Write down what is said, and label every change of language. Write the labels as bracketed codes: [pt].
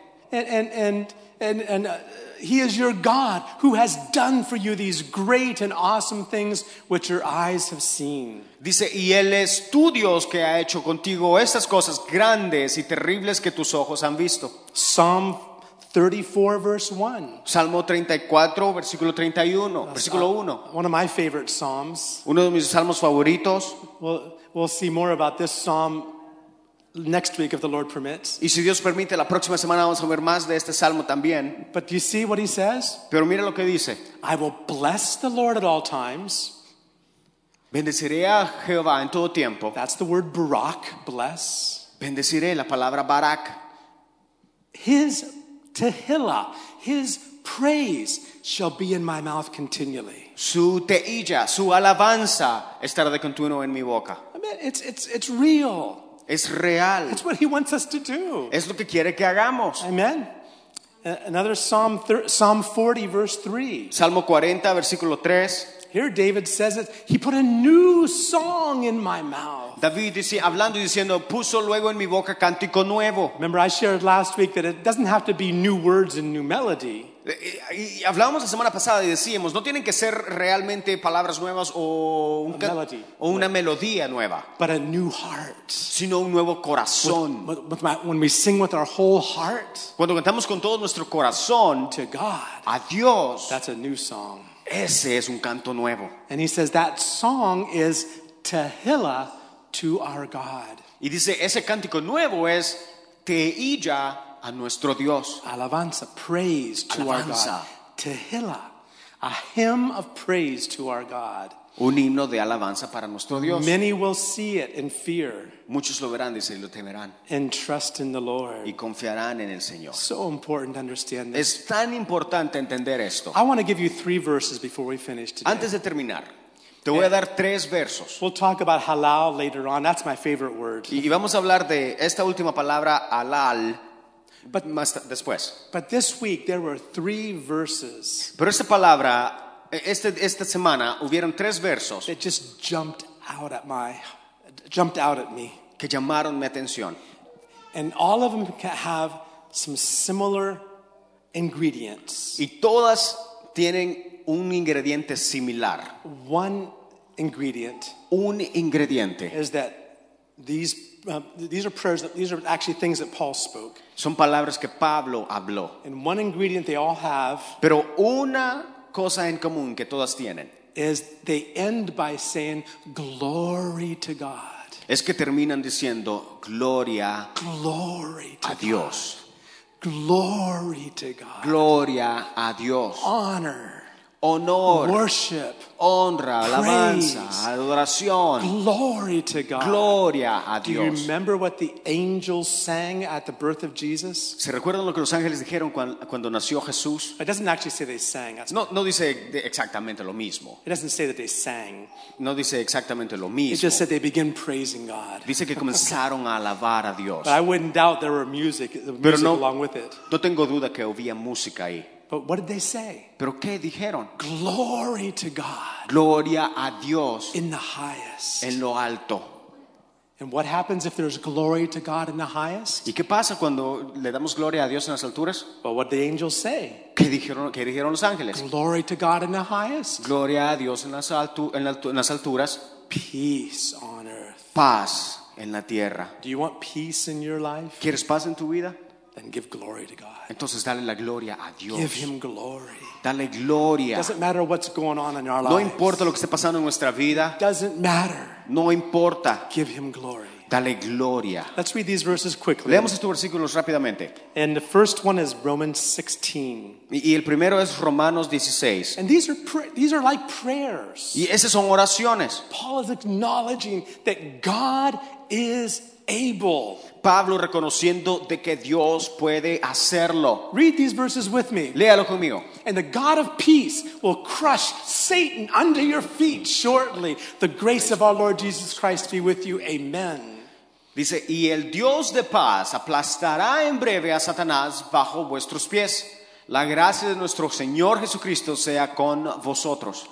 [en] He is your God who has done for you these great and awesome things which your eyes have seen. [es] Dice, y él es tu Dios que ha hecho contigo estas cosas grandes y terribles que tus ojos han visto. [en] Psalm 34 verse 1. [es] Salmo 34 versículo 31, that's versículo 1. [en] One of my favorite psalms. [es] Uno de mis salmos favoritos. [en] We'll see more about this psalm next week, if the Lord permits. [es] Y si Dios permite, la próxima semana vamos a ver más de este salmo también. [en] But do you see what he says? [es] Pero mira lo que dice. [en] I will bless the Lord at all times. [es] Bendeciré a Jehová en todo tiempo. [en] That's the word Barak, bless. [es] Bendeciré la palabra Barak. [en] His Tehillah, his praise shall be in my mouth continually. [es] Su Tehillah, su alabanza estará de continuo en mi boca. [en] I mean, it's real. [es] Es real. [en] It's what he wants us to do. [es] Es lo que quiere que hagamos. [en] Amen. Another Psalm 40 verse 3. [es] Salmo 40 versículo 3. [en] Here David says it, he put a new song in my mouth. [es] David dice, hablando y diciendo, puso luego en mi boca cántico nuevo. [en] Remember I shared last week that it doesn't have to be new words and new melody. [es] Y hablábamos la semana pasada y decíamos, no tienen que ser realmente palabras nuevas o una melodía nueva. [en] But a new heart. [es] Sino un nuevo corazón. [en] When we sing with our whole heart. [es] Cuando cantamos con todo nuestro corazón. [en] To God. [es] A Dios. [en] That's a new song. [es] Ese es un canto nuevo. [en] And he says that song is Tehillah to our God. [es] Y dice, ese cántico nuevo es Tehillah a nuestro Dios. [en] Alabanza, praise to [es] alabanza. [en] Our God. Tehillah, a hymn of praise to our God. [es] Un himno de alabanza para nuestro Dios. [en] Many will see it and fear. [es] Muchos lo verán, dice, y lo temerán. [en] And trust in the Lord. [es] Y confiarán en el Señor. [en] So important to understand this. [es] Es tan importante entender esto. [en] I want to give you three verses before we finish today. [es] Antes de terminar, te voy a dar tres versos. [en] We'll talk about halal later on. That's my favorite word. [es] Y vamos a hablar de esta última palabra, halal. But más después. [en] But this week there were three verses. [es] Pero esta palabra, esta semana hubieron tres versos. [en] That just jumped out at me. [es] Que llamaron mi atención. [en] And all of them have some similar ingredients. [es] Y todas tienen un ingrediente similar. [en] One ingredient. [es] Un ingrediente. [en] Is that these are actually things that Paul spoke. [es] Son palabras que Pablo habló. [en] And one ingredient they all have. [es] Pero una cosa en común que todas tienen. [en] Is they end by saying glory to God. [es] Es que terminan diciendo gloria [en] glory to [es] a Dios. [en] God. Glory to God. [es] Gloria a Dios. [en] Honor. [es] Honor. [en] Worship. [es] Honra, [en] praise. [es] Alabanza, adoración. [en] Glory to God. [es] Gloria a [en] Do [es] Dios. [en] Do you remember what the angels sang at the birth of Jesus? [es] ¿Se recuerdan lo que los ángeles dijeron cuando nació Jesús? [en] It doesn't actually say they sang. [es] No dice exactamente lo mismo. [en] It doesn't say that they sang. [es] No dice exactamente lo mismo. [en] It just said they began praising God. [es] Dice que comenzaron a alabar a Dios. [en] But I wouldn't doubt there were music along with it. [es] No tengo duda que había música ahí. [en] But what did they say? [es] ¿Pero qué dijeron? [en] Glory to God. [es] Gloria a Dios. [en] In the highest. [es] En lo alto. [en] And what happens if there's glory to God in the highest? [es] ¿Y qué pasa cuando le damos gloria a Dios en las alturas? [en] But what did the angels say? [es] ¿Qué dijeron los ángeles? [en] Glory to God in the highest. [es] Gloria a Dios en las alturas. [en] Peace on earth. [es] Paz en la tierra. [en] Do you want peace in your life? [es] ¿Quieres paz en tu vida? [en] Then give glory to God. [es] Entonces dale la gloria a Dios. [en] Give him glory. [es] Dale gloria. [en] Doesn't matter what's going on in our lives. [es] No importa lo que esté pasando en nuestra vida. [en] Doesn't matter. [es] No importa. [en] Give him glory. [es] Dale gloria. [en] Let's read these verses quickly. [es] Leamos estos versículos rápidamente. [en] And the first one is Romans 16. [es] Y el primero es Romanos 16. [en] And these are like prayers. [es] Y esas son oraciones. [en] Paul is acknowledging that God is able. [es] Pablo reconociendo de que Dios puede hacerlo. [en] Read these verses with me. [es] Léalo conmigo. [en] And the God of peace will crush Satan under your feet shortly. The grace of our Lord Jesus Christ be with you. Amen. [es] Dice, y el Dios de paz aplastará en breve a Satanás bajo vuestros pies. La gracia de nuestro Señor Jesucristo sea con vosotros.